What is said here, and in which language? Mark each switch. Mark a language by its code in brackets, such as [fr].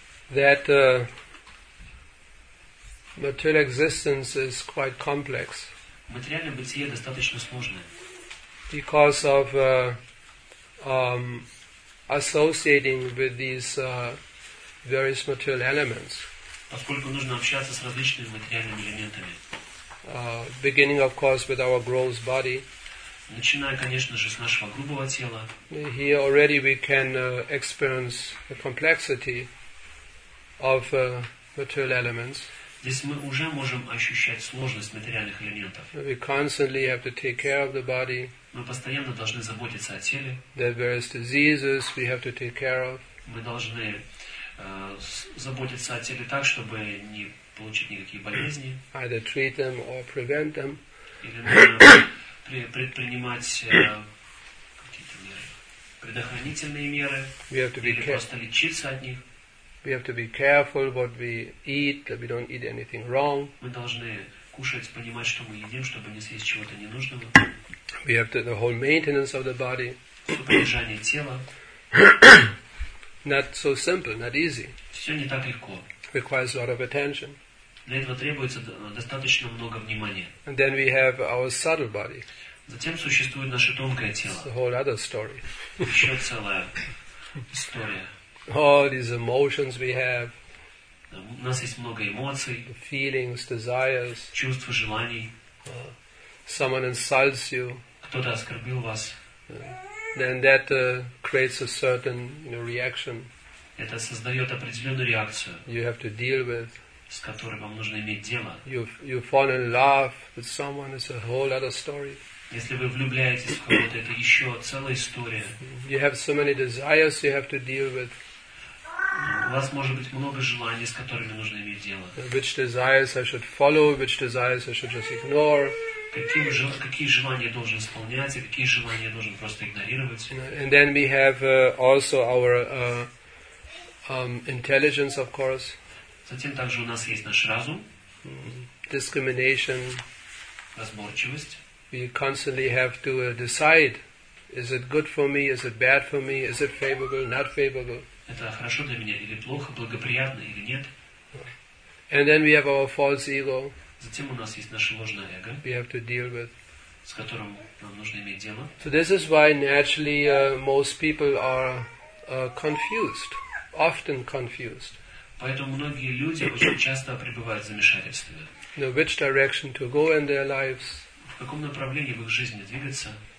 [en] That material existence is quite complex. [ru] Материальное бытие достаточно сложное. [en] Because of associating with these various material elements. [ru] Поскольку нужно общаться с различными материальными элементами. [en] Beginning, of course, with our gross body. [ru] Начиная, конечно же, с нашего грубого тела. [en] Here already we can experience the complexity of material elements. [ru] Здесь мы уже можем ощущать сложность материальных элементов. [en] We constantly have to take care of the body. [ru] Мы постоянно должны заботиться о теле. [en] There are various diseases we have to take care of. [ru] Мы должны заботиться о теле так, чтобы не получить никакие болезни. [en] Either treat them or prevent them. [ru] Или нужно предпринимать какие-то меры, предохранительные меры. [en] We have to [ru] или [en] be [ru] просто лечиться от них. [en] We have to be careful what we eat, that we don't eat anything wrong. [ru] Мы должны кушать, понимать, что мы едим, чтобы не съесть чего-то ненужного. [en] We have to the whole maintenance of the body. [ru] Поддержание тела. [en] Not so simple, not easy. [ru] Все не так легко. [en] Requires a lot of attention. [ru] Для этого требуется достаточно много внимания. [en] And then we have our subtle body. [ru] Затем существует наше тонкое тело. [en] It's a whole other story. [ru] Еще целая история. [en] All these emotions we have. [ru] У нас есть много эмоций. [en] The feelings, desires. [ru] Чувства, желаний. [en] Someone insults you. [ru] Кто-то оскорбил вас. [en] Then that creates a certain, you know, reaction. [ru] Это создает определенную реакцию. [en] You have to deal with. [ru] С которой вам нужно иметь дело. [en] You fall in love with someone. It's a whole other story. [ru] Если вы влюбляетесь в кого-то, это еще целая история. [en] You have so many desires. You have to deal with. [ru] У вас может быть много желаний, с которыми нужно иметь дело. [en] Which desires I should follow? Which desires I should just ignore? [ru] Какие желания должен исполнять, и какие желания должен просто игнорировать. [en] And then we have also our intelligence, of course. [ru] Затем также у нас есть наш разум. [en] Discrimination. [ru] Разборчивость. [en] We constantly have to decide, is it good for me, is it bad for me, is it favorable, not favorable. [ru] Это хорошо для меня или плохо, благоприятно или нет. [en] And then we have our false ego. [ru] Затем у нас есть наше ложное эго, [en] we have to deal with. [ru] С которым нам нужно иметь дело. [en] So this is why naturally most people are confused, often confused. [ru] Поэтому многие люди очень часто пребывают в замешательстве. [en] Now, which direction to go in their lives? [ru] В каком направлении в их жизни двигаться?